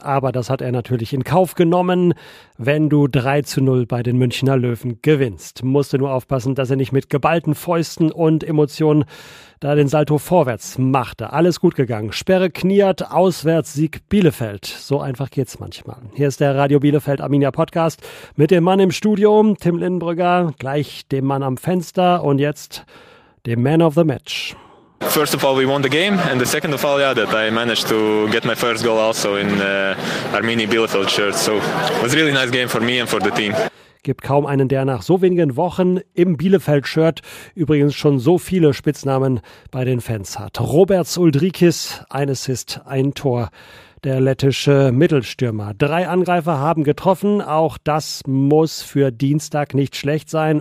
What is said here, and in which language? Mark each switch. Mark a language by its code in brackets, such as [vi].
[de] Aber das hat er natürlich in Kauf genommen. Wenn du 3:0 bei den Münchner Löwen gewinnst, musst du nur aufpassen, dass er nicht mit geballten Fäusten und Emotionen da den Salto vorwärts machte. Alles gut gegangen. Sperre Kniert, Auswärtssieg Bielefeld. So einfach geht's manchmal. Hier ist der Radio Bielefeld Arminia Podcast mit dem Mann im Studio, Tim Lindenbrügger, gleich dem Mann am Fenster und jetzt [en] the man of the match. First of all, we won the game, and the second of all, yeah, that I managed to get my first goal also in Arminia Bielefeld shirt. So it was a really nice game for me and for the team. [de] Gibt kaum einen, der nach so wenigen Wochen im Bielefeld-Shirt übrigens schon so viele Spitznamen bei den Fans hat. Roberts Uldrikis, ein Assist, ein Tor. Der lettische Mittelstürmer. Drei Angreifer haben getroffen. Auch das muss für Dienstag nicht schlecht sein.